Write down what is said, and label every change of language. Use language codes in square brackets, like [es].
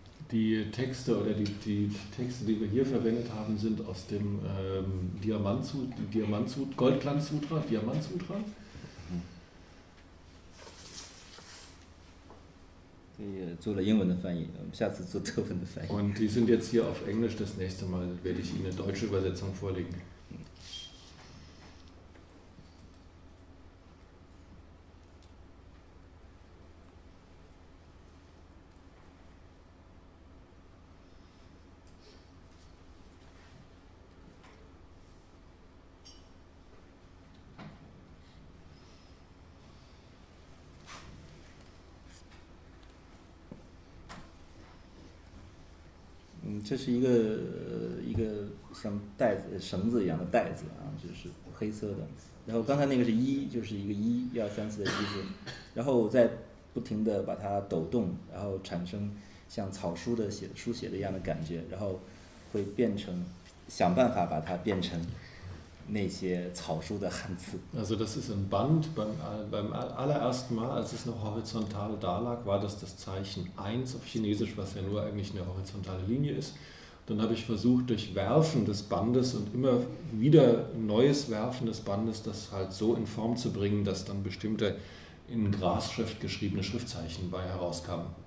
[de] Die Texte oder die Texte, die wir hier verwendet haben, sind aus dem Diamant-Sutra. [zh] 做了英文的翻译，下次做德文的翻译。 [de] Und die sind jetzt hier auf Englisch. Das nächste Mal werde ich Ihnen eine deutsche Übersetzung vorlegen. [zh] 这是一个像袋子绳子一样的袋子啊，就是黑色的。然后刚才那个是一，就是一个一，一二三四的一字，然后再不停地把它抖动，然后产生像草书的书写的一样的感觉，然后会变成，想办法把它变成那些草书的汉字。 [de] Also das ist ein Band. Beim allerersten Mal, als es noch horizontal da lag, war das Zeichen 1 auf Chinesisch, was ja nur eigentlich eine horizontale Linie ist. Dann habe ich versucht, durch Werfen des Bandes und immer wieder neues Werfen des Bandes, das halt so in Form zu bringen, dass dann bestimmte in Grasschrift geschriebene Schriftzeichen bei herauskamen.